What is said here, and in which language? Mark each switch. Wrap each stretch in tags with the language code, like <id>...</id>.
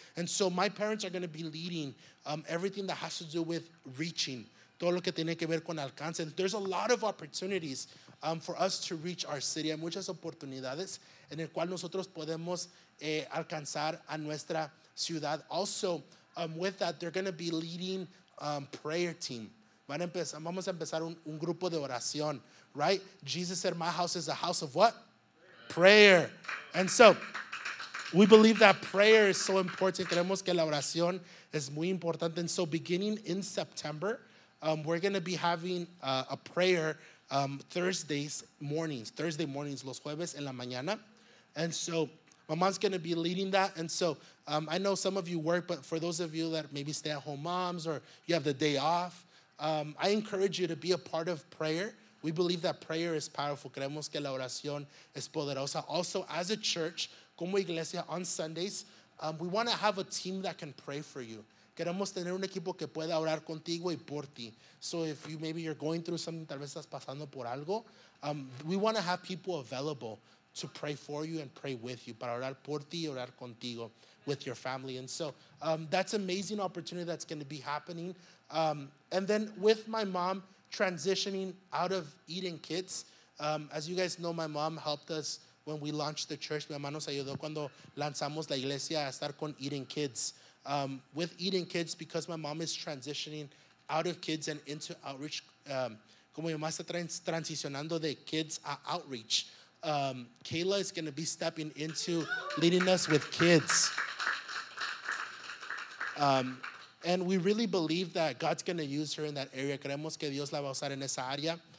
<en>And so my parents are going to be leading everything that has to do with reaching,</en> <es>todo lo que tiene que ver con alcance.</es> <en>And there's a lot of opportunities for us to reach our city.</en> <es>Hay muchas oportunidades en el cual nosotros podemos alcanzar a nuestra ciudad.</es> <en>Also, with that, they're going to be leading prayer team.</en> <es>Vamos a empezar un grupo de oración, right?</es> <en>Jesus said, my house is a house of what? Prayer. And so we believe that prayer is so important.</en> <es>Creemos que la oración es muy importante.</es> <en>And so beginning in September, we're going to be having a prayer Thursday mornings,</en> <es>los jueves en la mañana.</es> <en>And so my mom's going to be leading that. And so I know some of you work, but for those of you that maybe stay at home moms or you have the day off, I encourage you to be a part of prayer. We believe that prayer is powerful.</en> <es>Creemos que la oración es poderosa.</es> <en>Also, as a church,</en> <es>como iglesia,</es> <en>on Sundays, we want to have a team that can pray for you.</en> <es>Queremos tener un equipo que pueda orar contigo y por ti.</es> <en>So if you maybe you're going through something,</en> <es>tal vez estás pasando por algo,</es> <en>we want to have people available to pray for you and pray with you,</en> <es>para orar por ti y orar contigo</es> <en>with your family. And so that's an amazing opportunity that's going to be happening. And then with my mom, transitioning out of eating kits. As you guys know, my mom helped us when we launched the church.</en> <es>Mi mamá nos ayudó cuando lanzamos la iglesia a estar con eating kits.</es> <en>With eating kits, because my mom is transitioning out of kids and into outreach,</en> <es>como mi mamá está transicionando de kids a outreach,</es> <en>Kayla is going to be stepping into leading us with kids. And we really believe that God's going to use her in that area.</en> <es>Creemos que Dios la va a usar en esa área.</es>